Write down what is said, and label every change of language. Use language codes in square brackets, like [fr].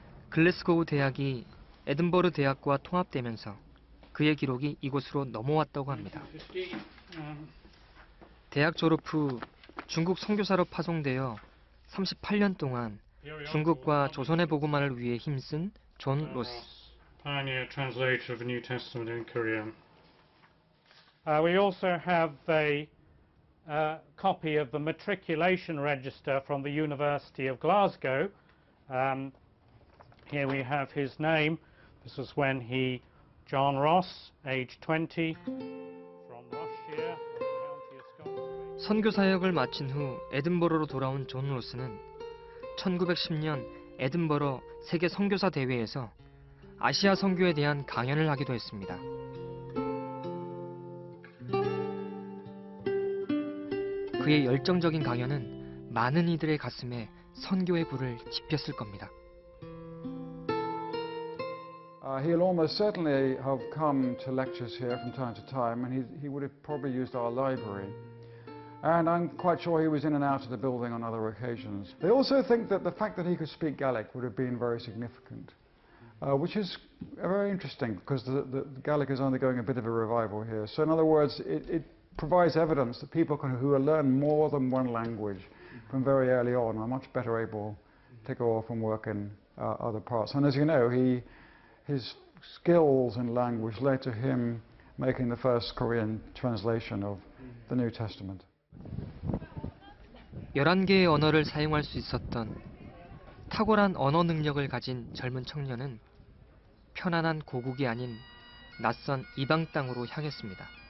[ko] 글래스고우 대학이 에든버러 대학과 통합되면서 그의 기록이 이곳으로 넘어왔다고 합니다. 대학 졸업 후 중국 선교사로 파송되어 38년 동안 중국과 조선의 복음화를 위해 힘쓴 존 로스. [en] Pioneer translator of the New Testament in Korean. We also have a copy of the matriculation register from the University of Glasgow. Here we have his name. This was when he, John Ross, age 20, from Rosshire, County of Scotland. [ko] 선교 사역을 마친 후 에든버러로 돌아온 존 로스는 1910년 에든버러 세계 선교사 대회에서 아시아 선교에 대한 강연을 하기도 했습니다. 그의 열정적인 강연은 많은 이들의 가슴에 선교의 불을 지폈을 겁니다. [en] He'll almost certainly have come to lectures here from time to time, and he would have probably used our library. And I'm quite sure he was in and out of the building on other occasions. They also think that the fact that he could speak Gaelic would have been very significant. Which is very interesting because the Gaelic is undergoing a bit of a revival here. So in other words, it provides evidence that people who learn more than one language from very early on are much better able to go off and work in other parts. And as you know, his skills in language led to him making the first Korean translation of the New Testament. [ko] 11개의 언어를 사용할 수 있었던 탁월한 언어 능력을 가진 젊은 청년은 편안한 고국이 아닌 낯선 이방 땅으로 향했습니다.